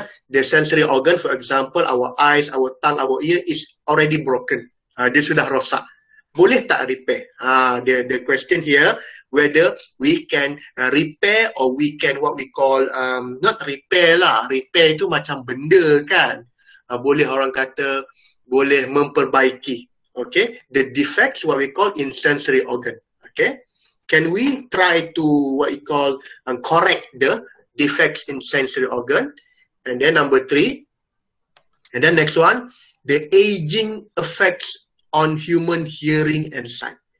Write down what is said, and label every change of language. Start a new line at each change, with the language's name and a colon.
English: The sensory organ, for example, our eyes, our tongue, our ear is already broken.
Malay: Dia sudah rosak. Boleh tak repair?
English: The question here, whether we can repair or we can what we call, not repair lah.
Malay: Repair itu macam benda kan. Boleh orang kata, boleh memperbaiki.
English: Okay, the defects what we call in sensory organ. Okay, can we try to what we call correct the defects in sensory organ? And then number three, and then next one, the aging effects on human hearing and sight.